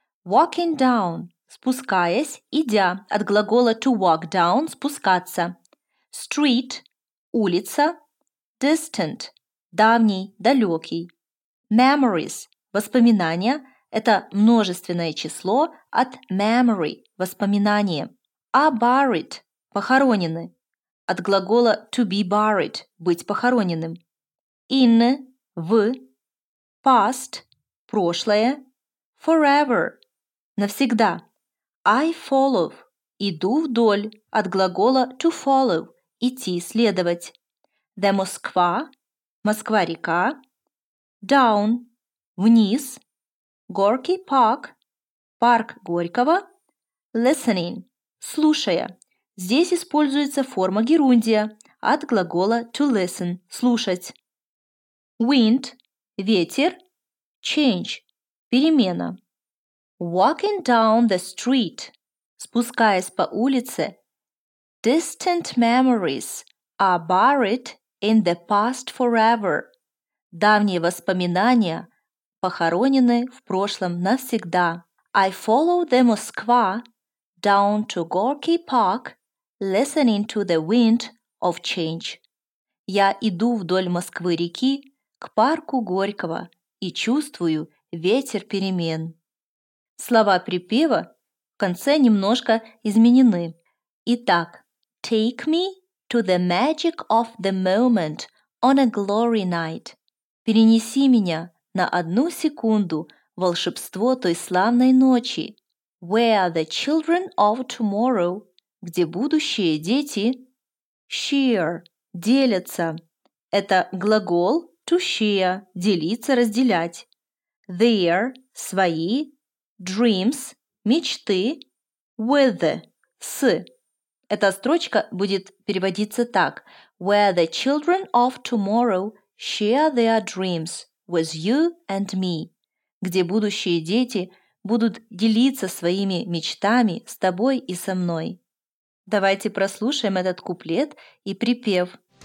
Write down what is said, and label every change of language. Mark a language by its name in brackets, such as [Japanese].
[Russian] Walking down – спускаясь, идя, от глагола to walk down – спускаться. Street – улица. Distant – давний, далекий. Memories – воспоминания – это множественное число от memory – воспоминания. [English] Are buried – похоронены, от глагола to be buried – быть похороненным. In – [Russian] в past, прошлое, forever, навсегда. I follow, иду вдоль, от глагола to follow, идти, следовать. The Москва, Москва-река, down, вниз, Горький парк, парк Горького, listening, слушая. Здесь используется форма герундия от глагола to listen, слушать. Wind, ветер, change, перемена. [English] Walking down the street, [Russian] спускаясь по улице. [English] Distant memories are buried in the past forever. [Russian] Давние воспоминания похоронены в прошлом навсегда. [English] I follow the Moskva down to Gorky Park, listening to the wind of change. [Russian] Я иду вдоль Москвы-реки к парку Горького и чувствую ветер перемен. Слова припева в конце немножко изменены. [English] Итак, take me to the magic of the moment on a glory night. [Russian] Перенеси меня на одну секунду волшебство той славной ночи. [English] Where the children of tomorrow, [Russian] где будущие дети, [English] share, делятся. [Russian] Это глагол to share, делиться, разделять. [English] Their, свои, dreams, мечты, with the, с. [Russian] Эта строчка будет переводиться так. [English] Where the children of tomorrow share their dreams with you and me. [Russian] Где будущие дети будут делиться своими мечтами с тобой и со мной. Давайте прослушаем этот куплет и припев.